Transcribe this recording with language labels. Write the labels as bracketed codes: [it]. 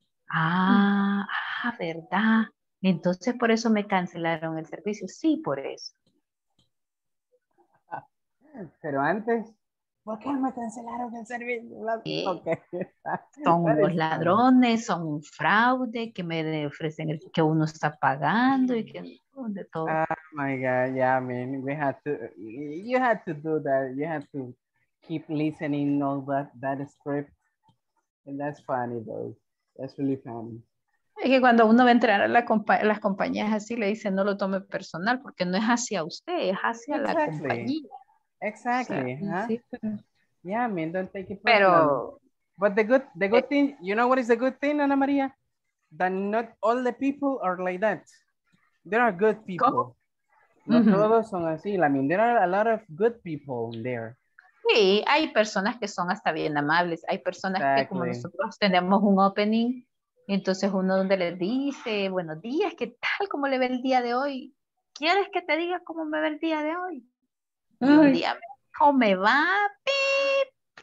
[es] Ah, ¿verdad? Entonces por eso me cancelaron el servicio. Sí, por eso. Pero antes, ¿por qué me cancelaron el servicio? Son unos ladrones, son un fraude que me ofrecen el que uno está pagando y que de todo. [en] Oh my god, yeah, I mean, you had to do that. You had to keep listening all that script. And that's funny though. That's really funny. [es] Es que cuando uno va a entrar a las compañías así le dicen, "No lo tome personal porque no es hacia usted, es hacia la compañía." [en] Exactly. Huh? Sí. Yeah, I mean, don't take it personal. But the good thing, you know what is the good thing, Ana María? That not all the people are like that. there are good people. ¿Cómo? [es] No todos son así. [en] I mean, there are a lot of good people there. [es] Sí, hay personas que son hasta bien amables. Hay personas que como nosotros tenemos un opening, entonces uno donde le dice, buenos días, ¿qué tal? ¿Cómo le ve el día de hoy? ¿Quieres que te diga cómo me ve el día de hoy? Un día, ¿cómo me va? ¡Pip!